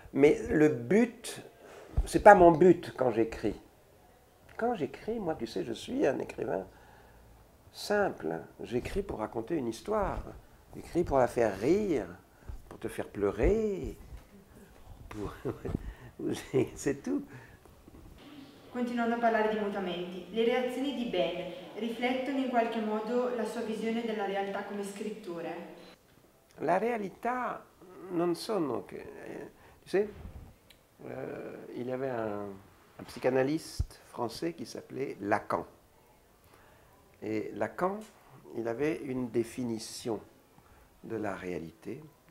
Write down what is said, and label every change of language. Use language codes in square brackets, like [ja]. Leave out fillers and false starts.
[fr] Mais le but, c'est pas mon but quand j'écris. Quand j'écris, moi, tu sais, je suis un écrivain simple. J'écris pour raconter une histoire. J'écris pour la faire rire, pour te faire pleurer, pour... C'est tout. [it] Continuando a parlare di mutamenti, le reazioni di Ben riflettono in qualche modo la sua visione della realtà come scrittore? [fr] La réalité, [it] non sono che. [fr] Tu sais, il y avait un psychanalyste français qui s'appelait Lacan. Et Lacan, il avait une définition de la réalité.